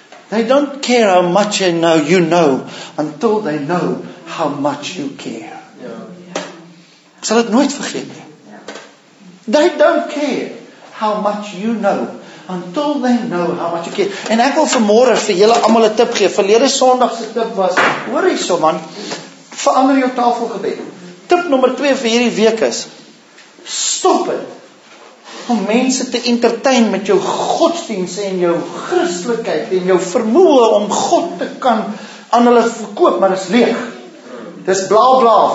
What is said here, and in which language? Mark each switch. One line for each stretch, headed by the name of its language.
English: They don't care how much they know you know until they know how much you care.
Afrikaans: Ek sal dit nooit vergeet nie.
English: They don't care how much you know until they know how much you care.
Afrikaans: En ek wil vanmôre vir julle almal 'n tip gee. Verlede Sondag se tip was, hoor hierso man, verander jou tafelgebed. Tip nommer 2 vir hierdie week is stop dit om mense te entertain met jou godsdiens en jou Christelikheid en jou vermoë om God te kan aan hulle verkoop, maar dit is leeg. Dis bla bla.